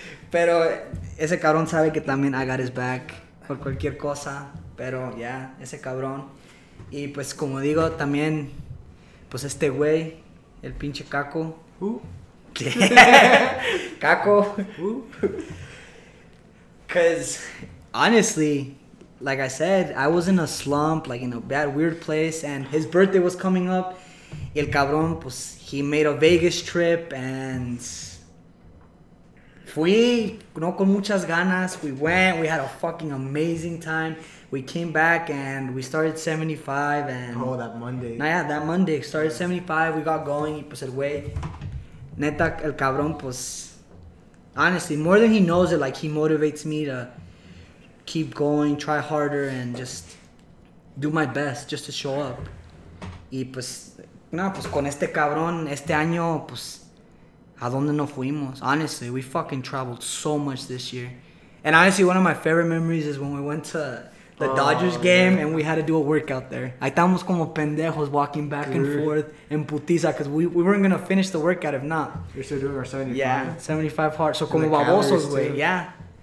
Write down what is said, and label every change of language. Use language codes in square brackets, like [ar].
[es] Pero ese cabrón sabe que también I got his back por cualquier cosa, pero yeah, ese cabrón. Y pues como digo también, pues este güey, el pinche Caco. [en] Who? Yeah. Caco. Who? Cause honestly, like I said, I was in a slump, like in a bad weird place, and his birthday was coming up. [es] Y el cabrón, pues [en] he made a Vegas trip, and fui, [es] no con muchas ganas, [en] we went, we had a fucking amazing time. We came back and we started 75 and... Oh, that Monday. Nah, yeah, that Monday. Started 75, we got going. [es] Y pues el güey, neta, el cabrón, pues... [en] Honestly, more than he knows it, like, he motivates me to keep going, try harder, and just do my best just to show up. [es] Y pues, nah, pues con este cabrón, este año, pues, ¿a dónde nos fuimos? [en] Honestly, we fucking traveled so much this year. And honestly, one of my favorite memories is when we went to... the Dodgers game, yeah. And we had to do a workout there. [es] Ahí estábamos como pendejos [en] walking back and forth [es] en putiza [en] because we weren't going to finish the workout if not. You're still doing our 75. Yeah, 75 hard. So and [es] como babosos, güey, [en] yeah.